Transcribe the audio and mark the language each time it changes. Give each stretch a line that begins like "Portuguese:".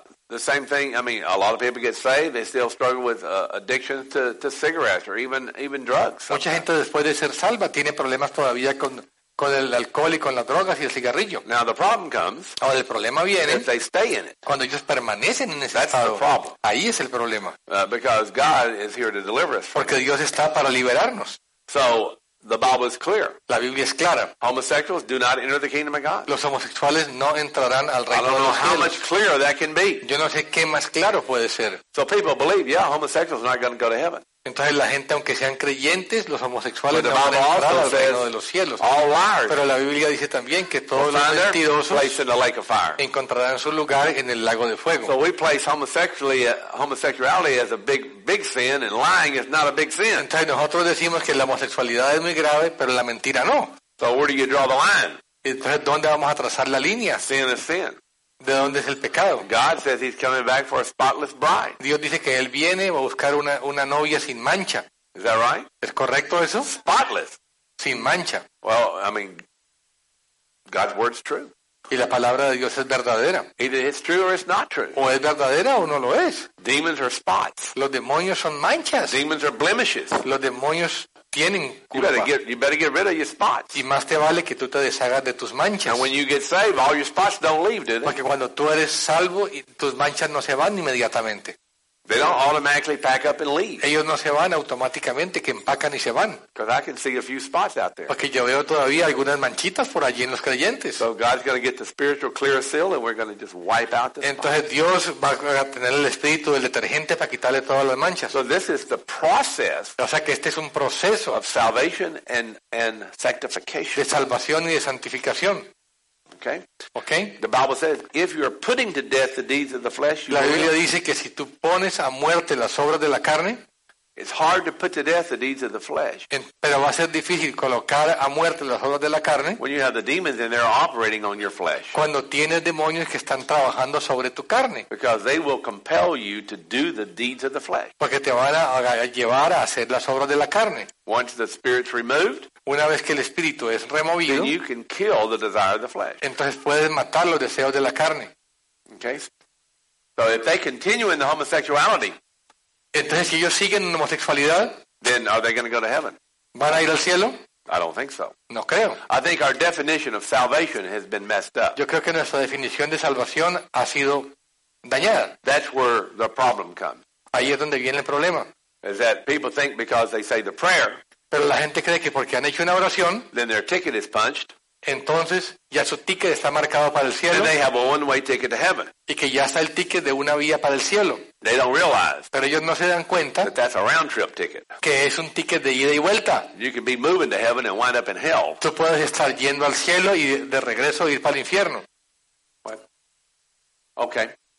English: The same thing, I mean, a lot of people get saved, they still struggle with addictions to cigarettes or even drugs. Sometimes.
Spanish: Mucha gente después de ser salva tiene problemas todavía con el alcohol y con las drogas y el cigarrillo.
English: Now the problem comes.
Spanish: Ahora el problema viene.
English: If they stay in it.
Spanish: Cuando ellos permanecen en ese
English: That's
Spanish: estado.
English: That's the problem.
Spanish: Ahí es el problema.
English: Because God is here to deliver us.
Spanish: Porque Dios está para liberarnos.
English: So the Bible is clear.
Spanish: La Biblia es clara.
English: Homosexuals do not enter the kingdom of God.
Spanish: Los homosexuales no entrarán al reino de los cielos.
English: I don't know how much clearer that can be.
Spanish: Yo no sé qué más claro puede ser.
English: So people believe, yeah, homosexuals are not going to go to heaven.
Spanish: Entonces la gente, aunque sean creyentes, los homosexuales no van a entrar al reino de los cielos.
English: All liars.
Spanish: Pero la Biblia dice también que todos los mentirosos encontrarán su lugar en el lago de fuego.
English: So we place homosexuality as a big sin, and lying is not a big sin.
Spanish: Entonces nosotros decimos que la homosexualidad es muy grave, pero la mentira no.
English: So where do you draw the line?
Spanish: Entonces, ¿dónde vamos a trazar la línea?
English: Sin is sin.
Spanish: ¿De dónde es el pecado?
English: God says he's coming back for a spotless bride.
Spanish: Dios dice que él viene a buscar una novia sin mancha.
English: Is that right?
Spanish: ¿Es correcto eso?
English: Spotless.
Spanish: Sin mancha.
English: Well, I mean, God's word's true.
Spanish: Y la palabra de Dios es verdadera.
English: Either it's true or it's not true.
Spanish: O es verdadera o no lo es.
English: Demons are spots.
Spanish: Los demonios son manchas.
English: Demons are blemishes.
Spanish: Los demonios tienen culpa.
English: You better get rid of your spots.
Spanish: Y más te vale que tú te deshagas de tus manchas.
English: And when you get saved, all your spots don't leave, do they?
Spanish: Porque cuando tú eres salvo, tus manchas no se van inmediatamente.
English: They don't automatically pack up and leave.
Spanish: Ellos no se van automáticamente, que empacan y se van.
English: Because I can see a few spots out there.
Spanish: Porque yo veo todavía algunas manchitas por allí en los creyentes.
English: So God's going to get the spiritual clear seal, and we're going to just wipe out the spots.
Spanish: Entonces Dios va a tener el espíritu del detergente para quitarle todas las manchas.
English: So this is the process.
Spanish: O sea que este es un proceso
English: of salvation and sanctification.
Spanish: De salvación y de santificación.
English: Okay. The Bible says, if you are putting to death the deeds of the flesh,
Spanish: la Biblia dice que si tú pones a muerte las obras de la carne,
English: it's hard to put to death the deeds of the flesh.
Spanish: Pero va a ser difícil colocar a muerte las obras de la carne.
English: When you have the demons and they're operating on your flesh.
Spanish: Cuando tienes demonios que están trabajando sobre tu carne.
English: Because they will compel you to do the deeds of the flesh.
Spanish: Porque te van a llevar a hacer las obras de la carne.
English: Once the spirit's removed.
Spanish: Una vez que el espíritu es removido,
English: then you can kill the desire of the flesh.
Spanish: Entonces puedes matar los deseos de la carne.
English: Okay. So if they continue in the homosexuality,
Spanish: entonces si ellos siguen en la homosexualidad,
English: then are they going to go to heaven?
Spanish: ¿Van a ir al cielo?
English: I don't think so.
Spanish: No creo.
English: I think our definition of salvation has been messed up.
Spanish: Yo creo que nuestra definición de salvación ha sido dañada.
English: That's where the problem comes.
Spanish: Ahí es donde viene el problema.
English: Is that people think because they say the prayer,
Spanish: pero la gente cree que porque han hecho una oración,
English: then their ticket is punched.
Spanish: Entonces ya su ticket está marcado para el cielo.
English: And they have a one-way ticket to heaven.
Spanish: Y que ya está el ticket de una vía para el cielo.
English: They don't realize,
Spanish: pero ellos no se dan cuenta
English: that that's a round-trip ticket.
Spanish: Que es un ticket de ida y vuelta.
English: You can be moving to heaven and wind up in hell.
Spanish: Tú puedes estar yendo al cielo y de regreso ir para el infierno.
English: What? Okay.